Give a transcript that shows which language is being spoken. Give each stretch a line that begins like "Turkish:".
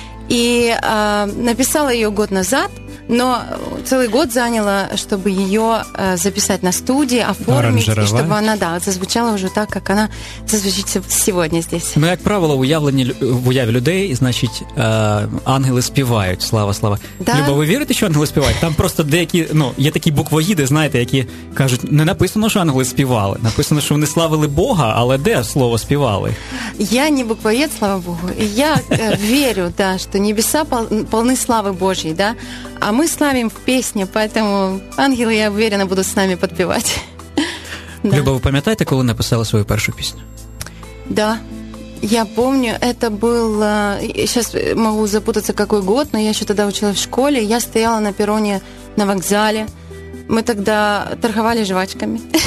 Russian: И написала ее год назад, но целый год заняла, чтобы ее записать на студии, оформить, и чтобы она, да, зазвучала уже так, как она зазвучит сегодня здесь. Ну, как правило, в уяве людей, значит, ангелы
Ukrainian: співають,
Russian: слава, слава. Да? Либо вы верите, что ангелы
Ukrainian: співають? Там просто деякі, ну, є такі буквоїди, знаєте, які кажуть, не написано, що ангели співали, написано, що вони славили Бога, але де слово співали? Я не буквоїд, слава Богу.
Russian: Я верю, да, что небеса полны славы Божьей, да? А мы славим в песне, поэтому ангелы, я уверена, будут с нами подпевать. Люба, вы помните, когда написала свою первую песню? Да, я помню, это был, сейчас могу запутаться, какой год, но я еще тогда училась в школе, я стояла на перроне на вокзале, мы тогда торговали жвачками.